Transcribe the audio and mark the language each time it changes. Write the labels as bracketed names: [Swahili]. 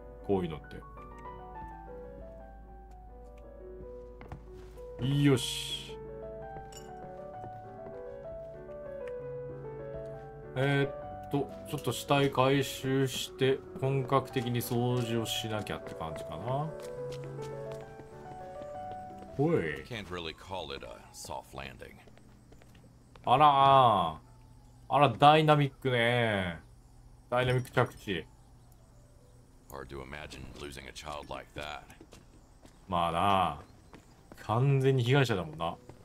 [Japanese] こういうのって。よし。とちょっと死体回収して本格的に掃除をしなきゃって感じかな。おい、 [English] can't really call it a soft landing。 [Japanese] あらあら、ダイナミックね、ダイナミック着地。 [English] Hard to imagine losing a child like that。 [Japanese] まあな、完全に被害者だもんな。